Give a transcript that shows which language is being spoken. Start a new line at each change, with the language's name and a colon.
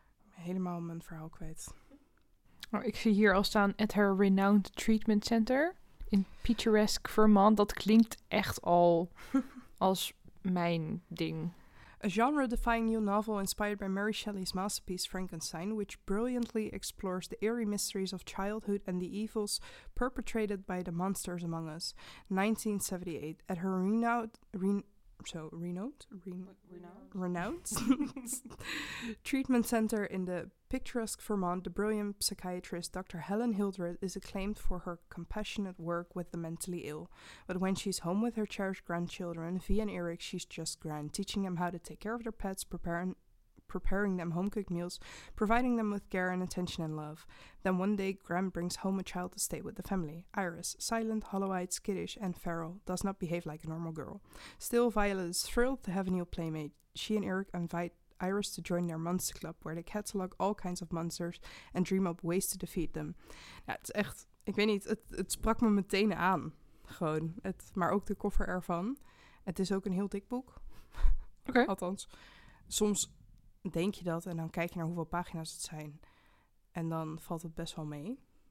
Dutch: Helemaal mijn verhaal kwijt. Oh, ik zie hier al staan
English: at her renowned treatment center in picturesque Vermont.
Dutch: Dat klinkt echt al als mijn ding.
English: A genre-defying new novel inspired by Mary Shelley's masterpiece Frankenstein, which brilliantly explores the eerie mysteries of childhood and the evils perpetrated by the monsters among us. 1978, at her renowned treatment center in the picturesque Vermont, the brilliant psychiatrist Dr. Helen Hildreth is acclaimed for her compassionate work with the mentally ill. But when she's home with her cherished grandchildren, V and Eric, she's just grand, teaching them how to take care of their pets, preparing them home-cooked meals, providing them with care and attention and love. Then one day, Graham brings home a child to stay with the family. Iris, silent, hollow-eyed, skittish, and feral, does not behave like a normal girl. Still, Violet is thrilled to have a new playmate. She and Eric invite Iris to join their monster club, where they catalog all kinds of monsters and dream up ways to defeat them.
Dutch: Ja, het is echt, ik weet niet, het sprak me meteen aan. Gewoon, maar ook de koffer ervan. Het is ook een heel dik boek. Oké. Althans, soms denk je dat en dan kijk je naar hoeveel pagina's het zijn. En dan valt het best wel mee.